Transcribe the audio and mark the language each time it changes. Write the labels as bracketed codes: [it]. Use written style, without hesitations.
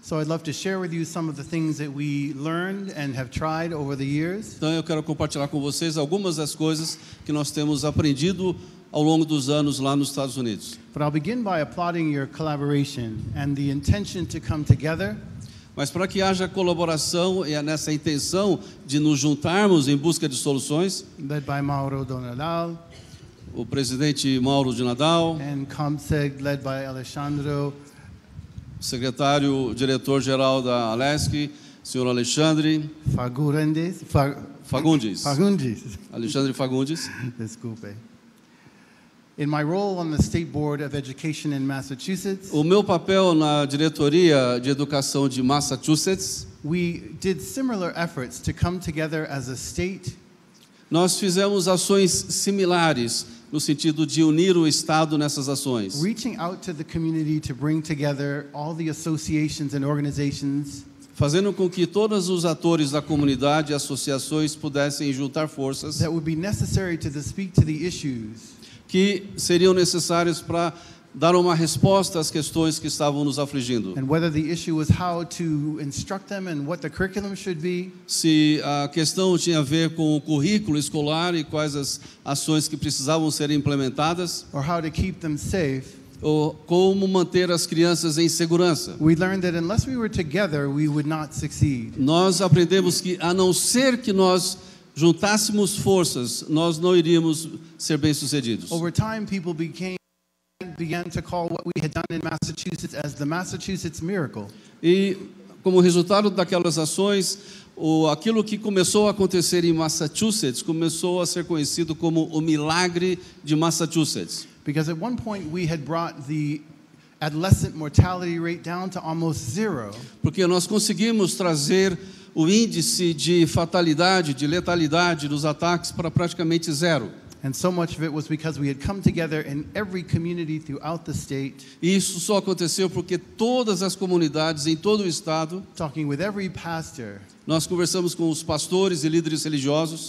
[en] So I'd love to share with you some of the things that we learned and have tried over the years. [pt] Então eu quero compartilhar com vocês algumas das coisas que nós temos aprendido ao longo dos anos lá nos Estados Unidos. [en] But I'll begin by applauding your collaboration and the intention to come together. [pt] Mas para que haja colaboração e nessa intenção de nos juntarmos em busca de soluções, [en] led by Mauro de Nadal, [pt] o presidente Mauro de Nadal, [en] and COMSEG, led by Alexandro, [pt] secretário diretor geral da ALESC, senhor Alexandre [en] Fagundes. [pt] Alexandre Fagundes. Desculpe. [en] In my role on the State Board of Education in Massachusetts, [pt] o meu papel na diretoria de educação de Massachusetts, [en] we did similar efforts to come together as a state. [pt] Nós fizemos ações similares no sentido de unir o Estado nessas ações. [en] Reaching out to the community to bring together all the associations and organizations. [pt] Fazendo com que todos os atores da comunidade e associações pudessem juntar forças. [en] That would be necessary to speak to the issues. [pt] Que seriam necessários para dar uma resposta às questões que estavam nos afligindo. [en] And whether the issue was how to instruct them and what the curriculum should be. [pt] Se a questão tinha a ver com o currículo escolar e quais as ações que precisavam ser implementadas. [en] Or how to keep them safe. [pt] Ou como manter as crianças em segurança. [en] We learned that unless we were together, we would not succeed. [pt] Nós aprendemos que a não ser que nós juntássemos forças, nós não iríamos ser bem-sucedidos. [en] Over time, people began to call what we had done in Massachusetts as the Massachusetts miracle. [pt] E como resultado daquelas ações, aquilo que começou a acontecer em Massachusetts começou a ser conhecido como o milagre de Massachusetts. [en] Because at one point we had brought the adolescent mortality rate down to almost zero. [pt] Porque nós conseguimos trazer o índice de fatalidade, de letalidade dos ataques para praticamente zero. [en] And so much of it was because we had come together in every community throughout the state. [pt] Isso só aconteceu porque todas as comunidades em todo o estado, [en] talking with every pastor, [pt] nós conversamos com os pastores e líderes religiosos,